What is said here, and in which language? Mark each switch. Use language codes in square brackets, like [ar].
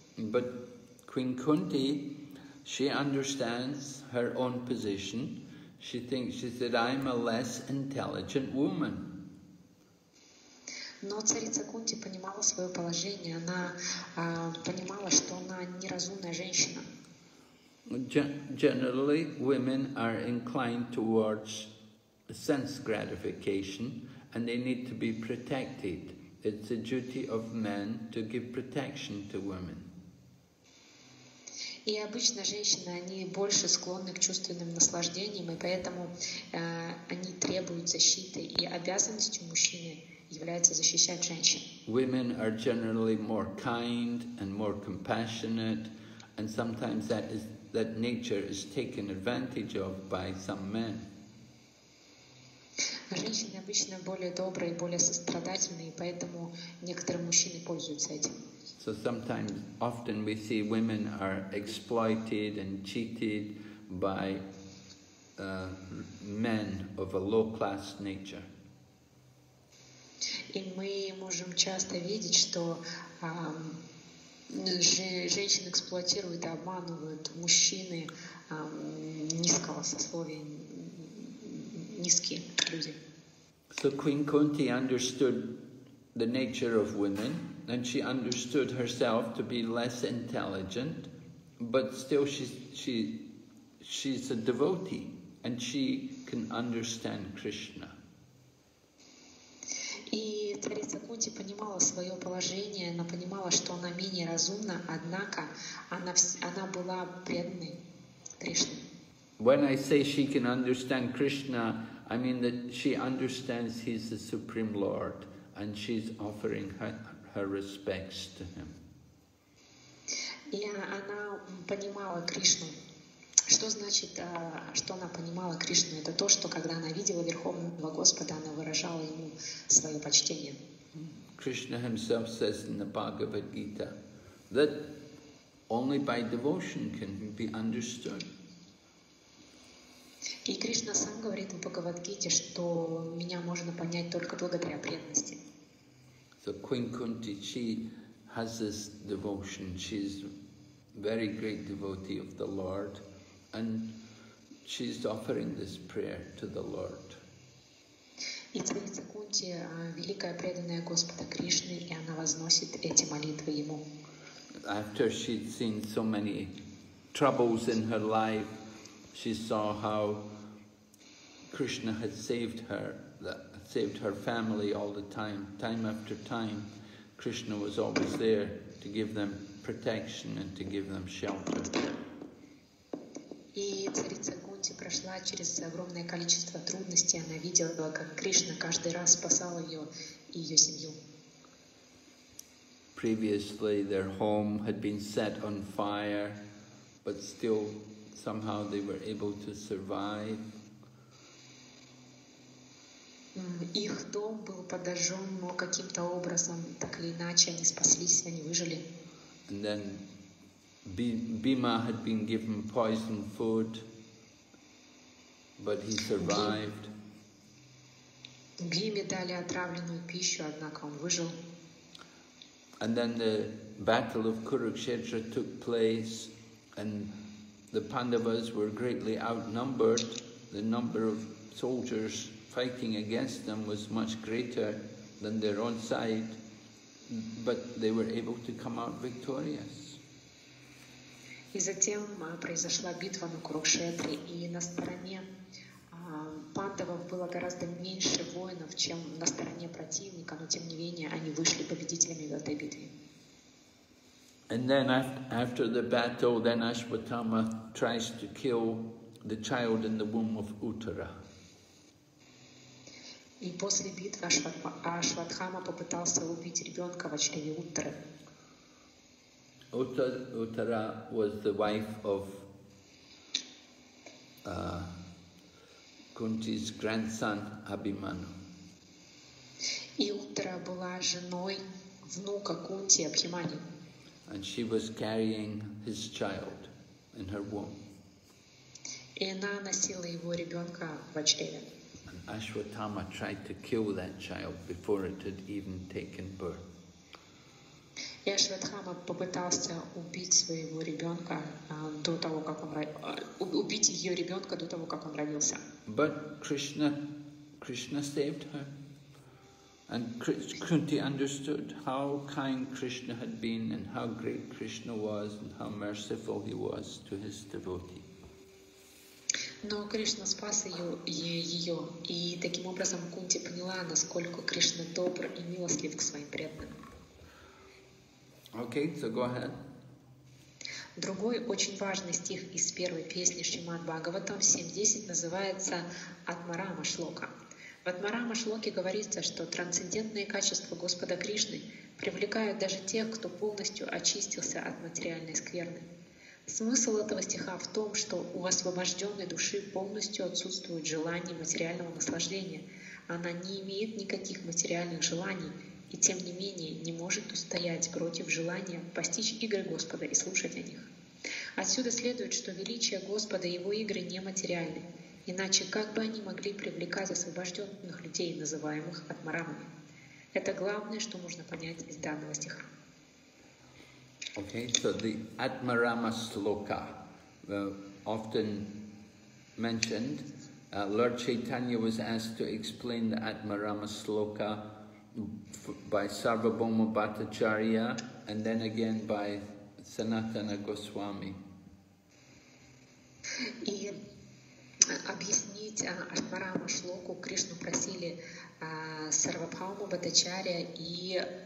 [en] But Queen Kunti, she understands her own position. She thinks, she said, I'm a less intelligent woman. [ru] Но царица Кунти понимала свое положение. Она понимала, что она неразумная женщина. [en] Generally, women are inclined towards sense gratification, and they need to be protected. It's the duty of men to give protection to women. [ru] И обычно женщины, они больше склонны к чувственным наслаждениям, и поэтому они требуют защиты, и обязанностью мужчины является защищать женщин. [en] Women are generally more kind and more compassionate, and sometimes that is that nature is taken advantage of by some men. [ru] Женщины обычно более добрые, более сострадательные, поэтому некоторые мужчины пользуются этим. [en] So sometimes, often we see women are exploited and cheated by men of a low-class nature. [ru] И мы можем часто видеть, что женщин эксплуатируют и обманывают мужчины низкого сословия, низкие люди. [en] So Queen Kunti understood the nature of women, and she understood herself to be less intelligent, but still she's a devotee, and she can understand Krishna. [ru] И царица Кунти понимала свое положение, она понимала, что она менее разумна, однако она была преданной Кришне. [en] When I say she can understand Krishna, I mean that she understands he's the Supreme Lord, and she's offering her respects to him. [ru] И она понимала Кришну. Что значит, что она понимала Кришну? Это то, что когда она видела Верховного Господа, она выражала ему свое почтение. [en] Krishna himself says in the Bhagavad Gita that only by devotion can be understood. [ru] И Кришна сам говорит в Бхагавад-гите, что меня можно понять только благодаря преданности. [en] So Queen Kunti, she has this devotion. She's very great devotee of the Lord, and she's offering this prayer to the Lord. [ru] И царица Кунти великая преданная Господа Кришны, и она возносит эти молитвы ему. [en] After she'd seen so many troubles in her life, she saw how Krishna had saved her family all the time. Time after time, Krishna was always there to give them protection and to give them shelter. [ru] И царица Кунти прошла через огромное количество трудностей. Она видела, как Кришна каждый раз спасал ее и ее семью. [en] Previously, their home had been set on fire, but still, somehow they were able to survive. [ru] Их дом был подожжен, но каким-то образом, так или иначе, они спаслись, они выжили. [en] And then Bhima had been given poison food, but he survived. [ru] Бхиме дали отравленную пищу, однако он выжил. [en] And then the battle of Kurukshetra took place, and the Pandavas were greatly outnumbered. The number of soldiers fighting against them was much greater than their own side, but they were able to come out victorious. [ru] И затем произошла битва на Курукшетре, и на стороне пандавов было гораздо меньше воинов, чем на стороне противника, но тем не менее они вышли победителями в этой битве. [en] And then after the battle, then Ashwatthama tries to kill the child in the womb of Uttara. [ru] И после битвы Ашватхама попытался убить ребенка в чреве Уттары. [en] Uttara was the wife of Kunti's grandson Abhimanyu. [ru] И Уттара была женой внука Кунти Абхиманю. [en] And she was carrying his child in her womb. [ru] И она носила его ребенка в чреве. [en] And Ashwatthama tried to kill that child before it had even taken birth. [ru] И Ашватхама попытался убить своего ребенка до того, как он убить ее ребенка до того, как он родился. [en] But Krishna saved her. And Kunti understood how kind Krishna had been and how great Krishna was and how merciful he was to his devotee. [ru] Но Кришна спас ее, и таким образом Кунти поняла, насколько Кришна добр и милостлив к своим преданным. [en] Okay, so go ahead. [ru] Другой очень важный стих из первой песни Шримад Бхагаватам 7.10 называется «Атмарама Шлока». В Атмарама Шлоке говорится, что трансцендентные качества Господа Кришны привлекают даже тех, кто полностью очистился от материальной скверны. Смысл этого стиха в том, что у освобожденной души полностью отсутствует желание материального наслаждения. Она не имеет никаких материальных желаний и, тем не менее, не может устоять против желания постичь игры Господа и слушать о них. Отсюда следует, что величие Господа и его игры нематериальны. Иначе как бы они могли привлекать освобожденных людей, называемых атмарамами? Это главное, что можно понять из данного стиха. [en] Okay, so the Atmarama Sloka, often mentioned, Lord Chaitanya was asked to explain the Atmarama Sloka by Sarvabhauma Bhattacharya and then again by Sanatana Goswami. [ru] Объяснить Атмарама Шлоку Кришну просили Сарвабхауму Бхаттачарья и